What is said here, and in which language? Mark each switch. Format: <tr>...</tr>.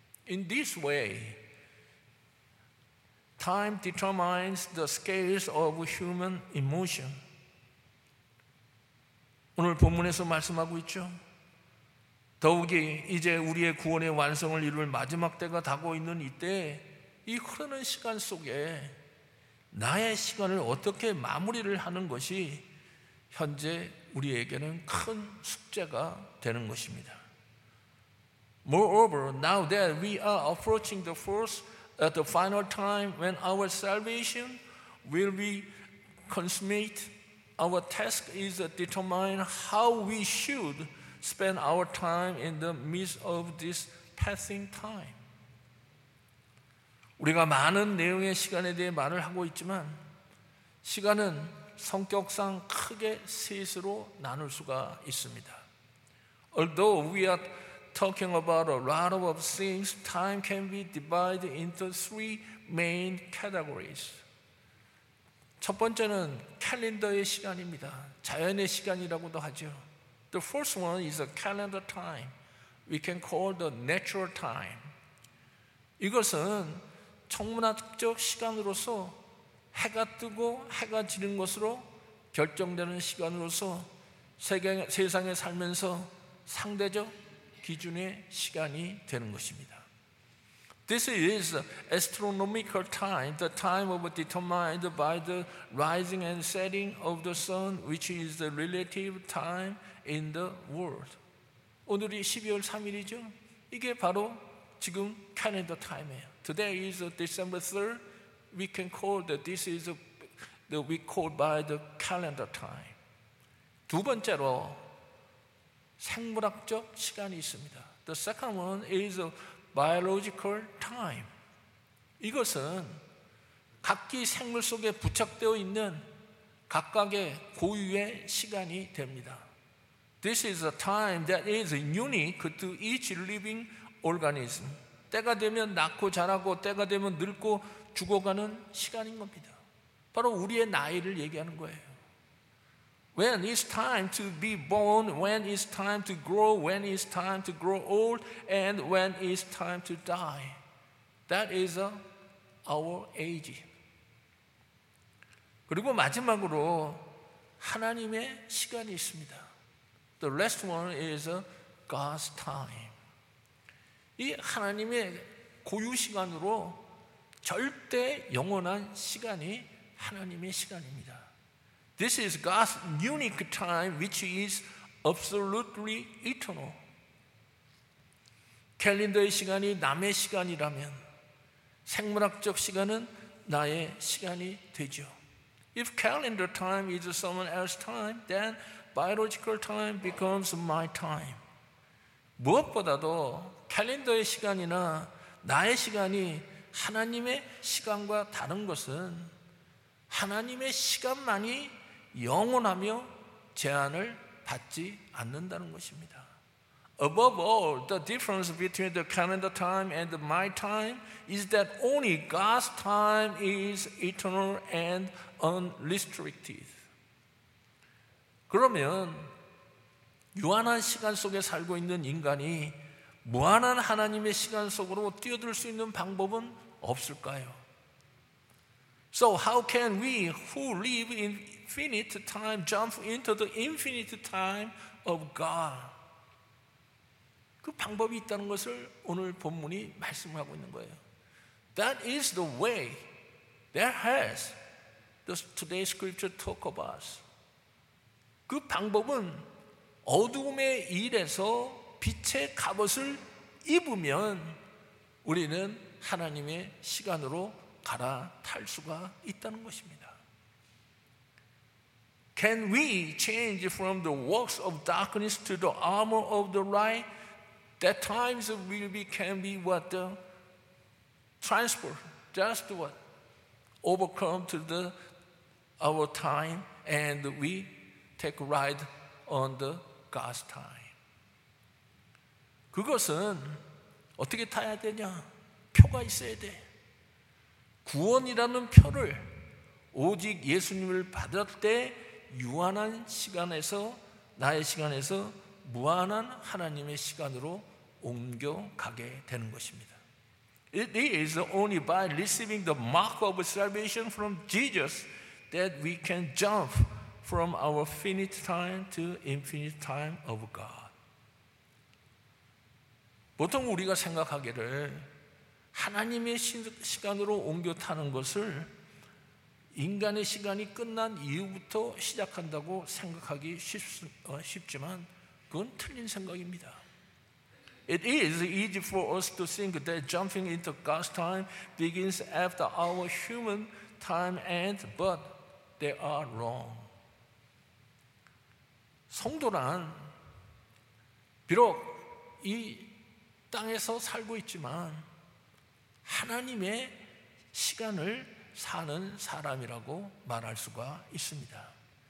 <en>In this way, time determines the scales of human emotion.</en> <ko>오늘 본문에서 말씀하고 있죠. 더욱이 이제 우리의 구원의 완성을 이룰 마지막 때가 다가오고 있는 이때, 이 흐르는 시간 속에 나의 시간을 어떻게 마무리를 하는 것이 현재 우리에게는 큰 숙제가 되는 것입니다.</ko> <en>Moreover, now that we are approaching the final time when our salvation will be consummate, our task is to determine how we should spend our time in the midst of this passing time.</en> <ko>우리가 많은 내용의 시간에 대해 말을 하고 있지만 시간은 성격상 크게 셋으로 나눌 수가 있습니다.</ko> <en>Although we are talking about a lot of things, time can be divided into three main categories.</en> <ko>첫 번째는 캘린더의 시간입니다. 자연의 시간이라고도 하죠.</ko> <en>The first one is a calendar time. We can call the natural time.</en> <ko>이것은 천문학적 시간으로서 해가 뜨고 해가 지는 것으로 결정되는 시간으로서 세상에 살면서 상대적 기준의 시간이 되는 것입니다.</ko> <en>This is astronomical time, the time of determined by the rising and setting of the sun, which is the relative time in the world.</en> <ko>오늘이 12월 3일이죠. 이게 바로 지금 캘린더 타임이에요.</ko> <en>Today is December 3rd. We can call that this is the we call by the calendar time.</en> <ko>두 번째로 생물학적 시간이 있습니다.</ko> <en>The second one is a biological time.</en> <ko>이것은 각기 생물 속에 부착되어 있는 각각의 고유의 시간이 됩니다.</ko> <en>This is a time that is unique to each living organism.</en> <ko>때가 되면 낳고 자라고 때가 되면 늙고 죽어가는 시간인 겁니다. 바로 우리의 나이를 얘기하는 거예요.</ko> <en>When it's time to be born, when it's time to grow, when it's time to grow old, and when it's time to die. That is our age.</en> <ko>그리고 마지막으로 하나님의 시간이 있습니다.</ko> <en>The last one is God's time.</en> <ko>이 하나님의 고유 시간으로 절대 영원한 시간이 하나님의 시간입니다.</ko> <en>This is God's unique time, which is absolutely eternal.</en> <ko>캘린더의 시간이 남의 시간이라면 생물학적 시간은 나의 시간이 되죠.</ko> <en>If calendar time is someone else's time, then biological time becomes my time.</en> <ko>무엇보다도 캘린더의 시간이나 나의 시간이 하나님의 시간과 다른 것은 하나님의 시간만이 영원하며 제한을 받지 않는다는 것입니다.</ko> <en>Above all, the difference between the calendar time and my time is that only God's time is eternal and unrestricted.</en> <ko>그러면 유한한 시간 속에 살고 있는 인간이 무한한 하나님의 시간 속으로 뛰어들 수 있는 방법은 없을까요?</ko> <en>So how can we who live in finite time jump into the infinite time of God?</en> <ko>그 방법이 있다는 것을 오늘 본문이 말씀하고 있는 거예요.</ko> <en>That is the way that has today's scripture talk about.</en> <ko>그 방법은 어둠의 일에서 빛의 갑옷을 입으면 우리는 하나님의 시간으로 갈아탈 수가 있다는 것입니다.</ko> <en>Can we change from the works of darkness to the armor of the light? That times will be can be what the transfer, just what overcome to the our time, and we take ride on the God's time.</en> <ko>그것은 어떻게 타야 되냐? 표가 있어야 돼. 구원이라는 표를 오직 예수님을 받을 때 유한한 시간에서 나의 시간에서 무한한 하나님의 시간으로 옮겨가게 되는 것입니다.</ko> <en>It is only by receiving the mark of salvation from Jesus that we can jump from our finite time to infinite time of God.</en> <ko>보통 우리가 생각하기를 하나님의 시간으로 옮겨 타는 것을 인간의 시간이 끝난 이후부터 시작한다고 생각하기 쉽지만 그건 틀린 생각입니다.</ko> <en>It is easy for us to think that jumping into God's time begins after our human time ends, but they are wrong.</en> <ko>성도란 비록 이 땅에서 살고 있지만 하나님의 시간을 사는 사람이라고 말할 수가 있습니다.</ko>